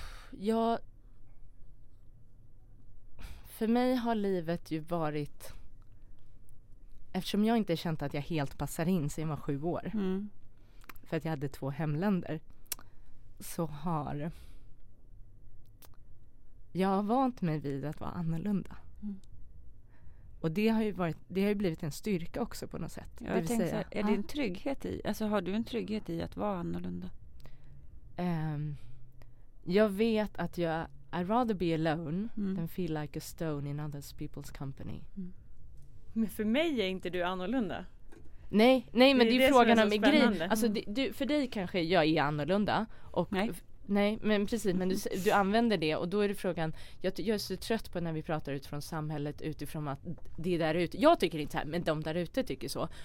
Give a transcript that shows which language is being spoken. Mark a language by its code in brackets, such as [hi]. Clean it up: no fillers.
[sv] Ja, för mig har livet ju varit, eftersom jag inte känt att jag helt passar in sedan jag var 7 år, för att jag hade 2 hemländer, så har jag vant mig vid att vara annorlunda. Och det har ju varit, det har ju blivit en styrka också på något sätt. Jag tänkte säga, är det en trygghet i, alltså har du en trygghet i att vara annorlunda? Jag vet att jag, [en] I'd rather be alone than feel like a stone in other people's company. Mm. [sv] Men för mig är inte du annorlunda. Nej, nej, men det är frågan om grejen. Alltså du, för dig kanske jag är annorlunda. Och nej. Nej, men precis, men du använder det, och då är det frågan, jag är så trött på när vi pratar utifrån samhället, utifrån att det där ute, jag tycker inte så här, men de där ute tycker så.